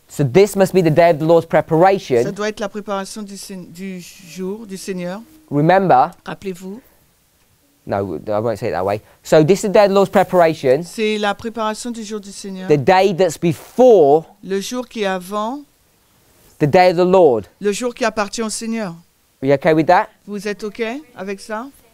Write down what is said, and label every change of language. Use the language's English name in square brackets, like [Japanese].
[English] So this must be the day of the Lord's preparation. [French] Ça doit être la préparation du jour du Seigneur. [English] Remember. [French] Rappelez-vous. [English] No, I won't say it that way. So this is the day of the Lord's preparation. [French] C'est la préparation du jour du Seigneur. [English] The day that's before. [French] Le jour qui est avant. [English] The day of the Lord. [French] Le jour qui appartient au Seigneur. [English] Are you okay with that? [French] Vous êtes ok avec ça?